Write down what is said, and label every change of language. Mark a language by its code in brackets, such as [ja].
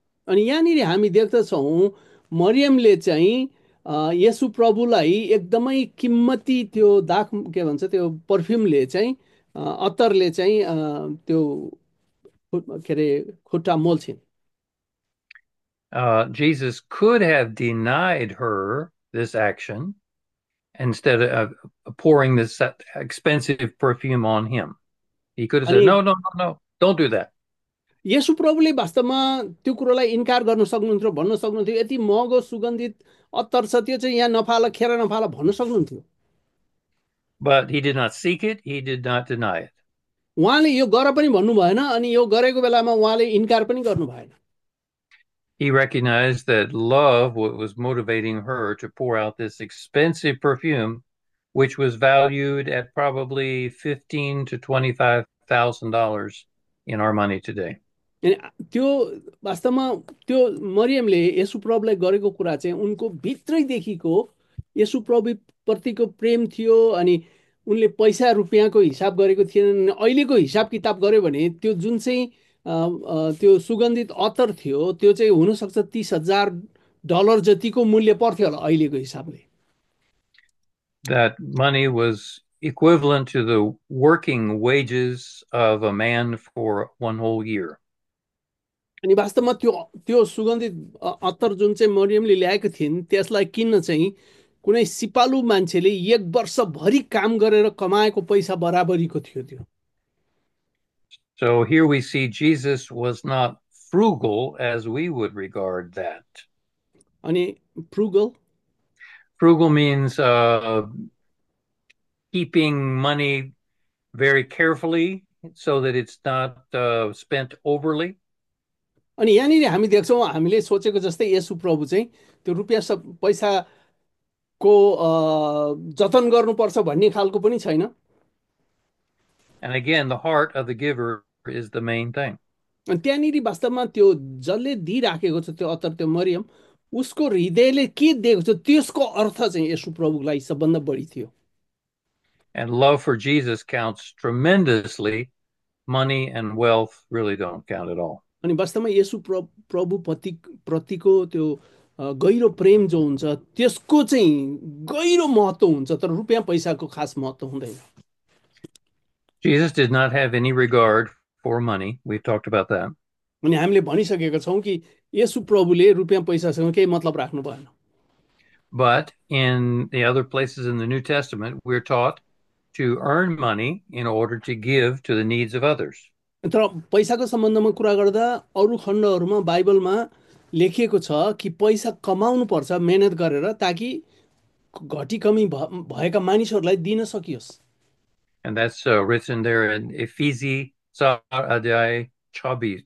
[ne] अनि यहाँनिर हामी देख्दछौँ मरियमले चाहिँ येसु प्रभुलाई एकदमै किम्मती त्यो दाख के भन्छ त्यो पर्फ्युमले चाहिँ अत्तरले चाहिँ त्यो के अरे खुट्टा मोल्छिन्। [en] Jesus could have denied her this action. Instead of pouring this expensive perfume on him, he could have said, [ne] अनि [en] no, don't do that. [ne] Yesu प्रभुले वास्तवमा त्यो कुरोलाई इन्कार गर्न सक्नुहुन्थ्यो, भन्न सक्नुहुन्थ्यो, यति महँगो सुगन्धित अत्तर छ त्यो चाहिँ यहाँ नफाल खेर नफाल भन्न सक्नुहुन्थ्यो। [en] But he did not seek it, he did not deny it. [ne] उहाँले यो गर पनि भन्नु भएन, अनि यो गरेको बेलामा उहाँले इन्कार पनि गर्नु भएन। [en] He recognized that love was motivating her to pour out this expensive perfume, which was valued at probably $15,000 to $25,000 in our money today. [ne] त्यो वास्तवमा त्यो मरियमले येसु प्रभुलाई गरेको कुरा चाहिँ उनको भित्रैदेखिको येसु प्रभु प्रतिको प्रेम थियो, अनि उनले पैसा रुपियाँको हिसाब गरेको थिएन। अहिलेको हिसाब किताब गर्यो भने त्यो जुन चाहिँ त्यो सुगन्धित अत्तर थियो त्यो चाहिँ हुनसक्छ $30,000 जतिको मूल्य पर्थ्यो होला अहिलेको हिसाबले। [en] That money was equivalent to the working wages of a man for one whole year. [ne] अनि वास्तवमा त्यो त्यो सुगन्धित अत्तर जुन चाहिँ मरियमले ल्याएको थिइन् त्यसलाई किन्न चाहिँ कुनै सिपालु मान्छेले 1 वर्षभरि काम गरेर कमाएको पैसा बराबरीको थियो त्यो। [en] So here we see Jesus was not frugal as we would regard that. [ne] अनि frugal [en] Frugal means keeping money very carefully so that it's not spent overly. [ne] अनि यहाँनिर हामी देख्छौँ हामीले सोचेको जस्तै येसु प्रभु चाहिँ त्यो रुपियाँ सब पैसाको जतन गर्नुपर्छ भन्ने खालको पनि छैन। [en] And again, the heart of the giver is the main thing. [ne] अनि त्यहाँनिर वास्तवमा त्यो जसले दिइराखेको छ त्यो अत्तर त्यो मरियम उसको हृदयले के दिएको छ त्यसको अर्थ चाहिँ येसु प्रभुलाई सबभन्दा बढी थियो। [en] And love for Jesus counts tremendously. Money and wealth really don't count at all. [ne] अनि वास्तवमा येसु प्रभु प्रतिको त्यो गहिरो प्रेम जो हुन्छ त्यसको चाहिँ गहिरो महत्त्व हुन्छ, तर रुपियाँ पैसाको खास महत्त्व हुँदैन। [en] Jesus did not have any regard for money. We've talked about that. [ne] अनि हामीले भनिसकेका छौँ कि येसु प्रभुले रुपियाँ पैसासँग केही मतलब राख्नु भएन। [en] But in the other places in the New Testament, we're taught to earn money in order to give to the needs of others. [ne] तर पैसाको सम्बन्धमा कुरा गर्दा अरू खण्डहरूमा बाइबलमा लेखिएको छ कि पैसा कमाउनु पर्छ मेहनत गरेर ताकि घटी कमी भएका मानिसहरूलाई दिन सकियोस्। [en] And that's written there in Ephesians 4, Adai 26.